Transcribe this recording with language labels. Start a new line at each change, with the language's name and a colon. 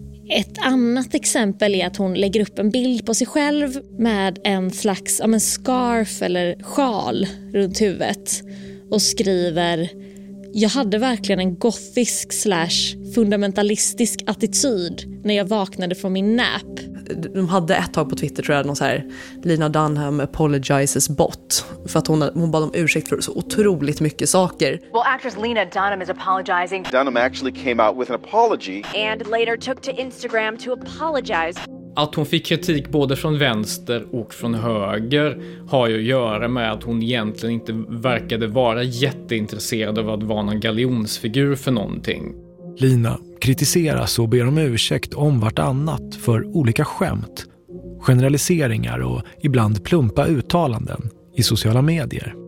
Swedish: Ett annat exempel är att hon lägger upp en bild på sig själv med en slags scarf eller sjal runt huvudet och skriver: jag hade verkligen en gothisk slash fundamentalistisk attityd när jag vaknade från min nap. De hade ett tag på Twitter, tror jag, någon så här Lena Dunham apologizes bot, för att hon bad om ursäkt för så otroligt mycket saker.
English: Well, actress Lena Dunham is apologizing. Dunham actually came out with an apology and later took to Instagram to apologize.
Swedish: Att hon fick kritik både från vänster och från höger har ju att göra med att hon egentligen inte verkade vara jätteintresserad av att vara någon galjonsfigur för någonting. Lina kritiseras och ber om ursäkt om vartannat för olika skämt, generaliseringar och ibland plumpa uttalanden i sociala medier.